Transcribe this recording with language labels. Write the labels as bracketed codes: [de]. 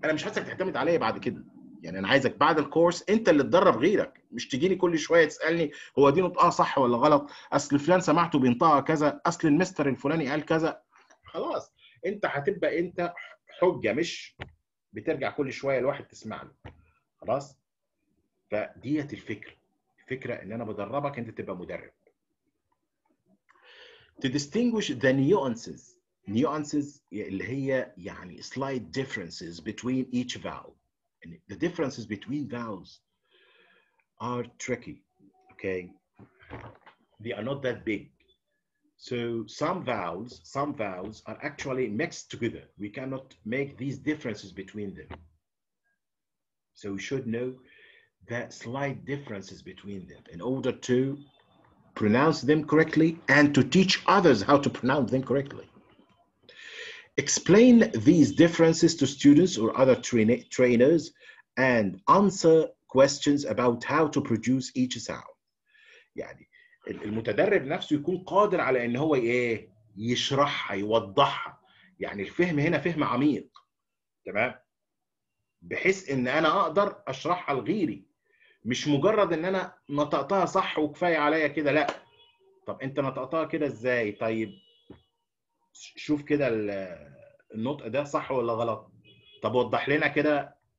[ar] انا مش عايزك تعتمد عليا بعد كده, يعني انا عايزك بعد الكورس انت اللي تدرب غيرك, مش تجيني كل شويه تسالني هو دي نطقها صح ولا غلط, اصل فلان سمعته بينطقها كذا, اصل المستر الفلاني قال كذا. خلاص انت هتبقى انت حجه, مش بترجع كل شويه الواحد تسمع له. خلاص فديت الفكره, الفكره ان انا بدربك انت تبقى مدرب. [en] To distinguish the nuances, nuances [ar] اللي هي يعني [en] slight differences between each vowel. And the differences between vowels are tricky, okay? They are not that big. So some vowels are actually mixed together. We cannot make these differences between them. So we should know the slight differences between them in order to pronounce them correctly and to teach others how to pronounce them correctly. Explain these differences to students or other trainers and answer questions about how to produce each sound. [ar] يعني المتدرب نفسه يكون قادر على ان هو ايه يشرحها يوضحها يعني الفهم هنا فهم عميق تمام بحيث ان انا اقدر اشرحها لغيري مش مجرد ان انا نطقتها صح وكفاية عليا كده لا طب انت نطقتها كده ازاي طيب شوف كده النطق ده صح ولا غلط طب وضح لنا كده